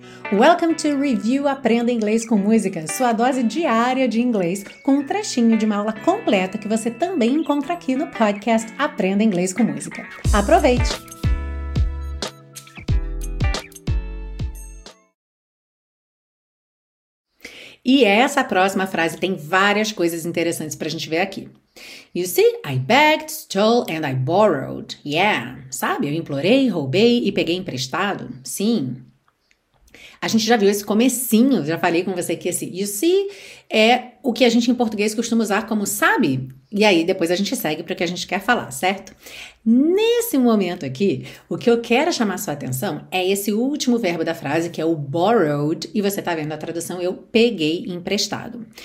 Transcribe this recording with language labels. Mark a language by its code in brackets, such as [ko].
[en] Welcome to [pt] Review Aprenda Inglês com Música, sua dose diária de inglês, com um trechinho de uma aula completa que você também encontra aqui no podcast Aprenda Inglês com Música. Aproveite! E essa próxima frase tem várias coisas interessantes para a gente ver aqui. [en] You see, I begged, stole and I borrowed. Yeah, [pt] sabe? Eu implorei, roubei e peguei emprestado. Sim. A gente já viu esse comecinho, já falei com você que esse you see é o que a gente em português costuma usar como sabe. E aí depois a gente segue para o que a gente quer falar, certo? Nesse momento aqui, o que eu quero chamar sua atenção é esse último verbo da frase, que é o borrowed, e você está vendo a tradução, eu peguei emprestado.